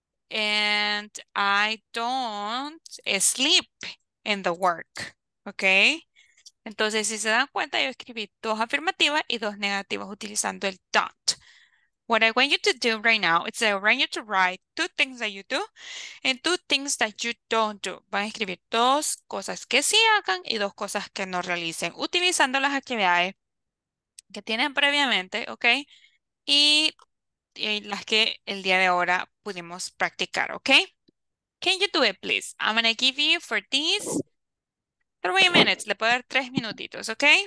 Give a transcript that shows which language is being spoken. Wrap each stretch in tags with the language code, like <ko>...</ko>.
<en>And I don't sleep in the work, okay?</en> <es>Entonces, si se dan cuenta, yo escribí dos afirmativas y dos negativas utilizando el don't.</es> <en>What I want you to do right now is I want you to write two things that you do and two things that you don't do.</en> <es>Van a escribir dos cosas que sí hagan y dos cosas que no realicen, utilizando las actividades que tienen previamente, ¿ok? Y las que el día de ahora pudimos practicar, ¿ok?</es> <en>Can you do it, please? I'm going to give you for this 3 minutes.</en> <es>Le puedo dar 3 minutitos, ¿ok?</es>